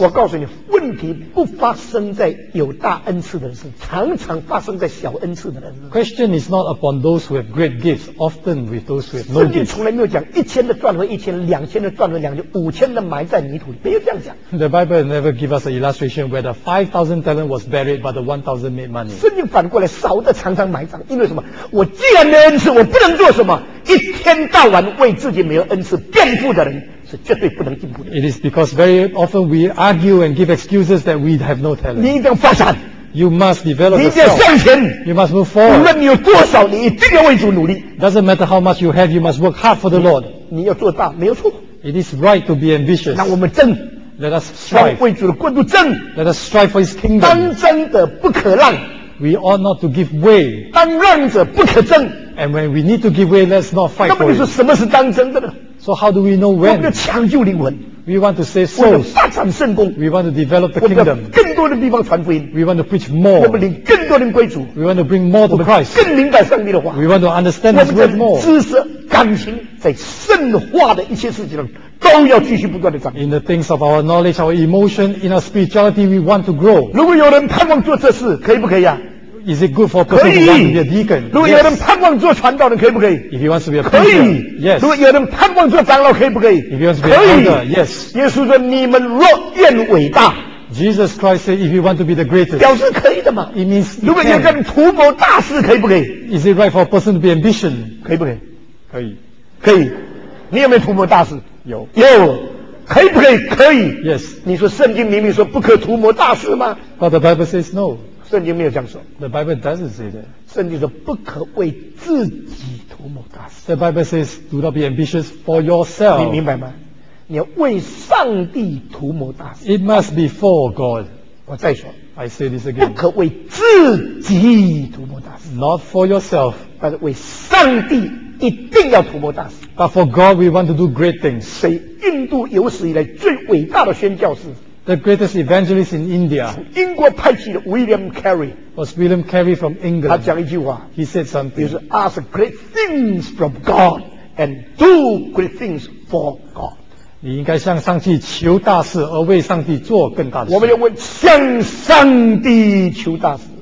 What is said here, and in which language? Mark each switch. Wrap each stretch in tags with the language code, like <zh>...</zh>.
<zh>我告诉你，问题不发生在有大恩赐的人身上，常常发生在小恩赐的人身上。</zh> <en>Question is not upon those who have great gifts, often with those who have no gifts.</en> <zh>圣经从来没有讲一千的赚回一千，两千的赚回两千，五千的埋在泥土里，没有这样讲。</zh> <en>The Bible never give us an illustration where the 5,000 talent was buried but the 1,000 made money.</en> <zh>圣经反过来，少的常常埋葬，因为什么？我既然没有恩赐，我不能做什么？一天到晚为自己没有恩赐辩护的人是绝对不能进步的。</zh> <en>It is because very often we argue and give excuses that we have no talent.</en> <zh>你一定要发展。</zh> <en>You must develop yourself.</en> <zh>你一定要向前。</zh> <en>You must move forward.</en> <zh>无论你有多少，你一定要为主努力。</zh> <en>Doesn't matter how much you have, you must work hard for the Lord.</en> <zh>你要做大，没有错。</zh> <en>It is right to be ambitious.</en> <zh>那我们争。</zh> <en>Let us strive.</en> <zh>为主的国度争。</zh> <en>Let us strive for His kingdom.</en> <zh>当争者不可让。</zh> <en>We ought not to give way.</en> <zh>当让者不可争。</zh> <en>And when we need to give way, let's not fight for it.</en> <zh>那么你说什么是当争的呢？</zh> <en>So how do we know when?</en> <zh>我们要抢救灵魂。</zh> <en>We want to save souls.</en> <zh>发展圣工。</zh> <en>We want to develop the kingdom.</en> <zh>我们要更多的地方传福音。</zh> <en>We want to preach more.</en> <zh>我们领更多人归主。</zh> <en>We want to bring more to Christ.</en> <zh>更明白上帝的话。</zh> <en>We want to understand His word more.</en> <zh>知识、感情，在圣化的一切事情中，都要继续不断的长。</zh> <en>In the things of our knowledge, our emotion, in our spirituality, we want to grow.</en> <zh>如果有人盼望做这事，可以不可以啊？</zh> <en>Is it good for a person who wants to be a deacon?</en> <zh>如果有人盼望做传道人，可以不可以？</zh> <en>If he wants to be a preacher, yes.</en> <zh>如果有人盼望做长老，可以不可以？</zh> <en>If he wants to be a elder, yes.</en> <zh>耶稣说：“你们若愿伟大。”</zh> <en>Jesus Christ said, "If you want to be the greatest."</en> <zh>表示可以的嘛。</zh> <en>It means.</en> <zh>如果有人图谋大事，可以不可以？</zh> <en>Is it right for a person to be ambition?</en> <zh>可以不可以？可以，可以。你有没有图谋大事？有，有。可以不可以？可以。</zh> <en>Yes.</en> <zh>你说圣经明明说不可图谋大事吗？</zh> <en>But the Bible says no.</en> <zh>圣经没有这样说。</zh> <en>The Bible doesn't say that.</en> <zh>圣经说不可为自己图谋大事。</zh> <en>The Bible says, do not be ambitious for yourself.</en> <zh>你明白吗？你要为上帝图谋大事。</zh> <en>It must be for God.</en> <zh>我再说。</zh> <en>I say this again.</en> <zh>不可为自己图谋大事。</zh> <en>Not for yourself.</en> <zh>但是为上帝一定要图谋大事。</zh> <en>But for God, we want to do great things.</en> <zh>所以印度有史以来最伟大的宣教士。</zh> <en>The greatest evangelist in India.</en> <zh>英国派去的 William Carey.</zh> <en>Was William Carey from England?</en> <zh>他讲一句话。</zh> <en>He said something. He said, "Ask great things from God and do great things for God."</en> <zh>你应该向上帝求大事，而为上帝做更大的事。我们要问向上帝求大事。</zh>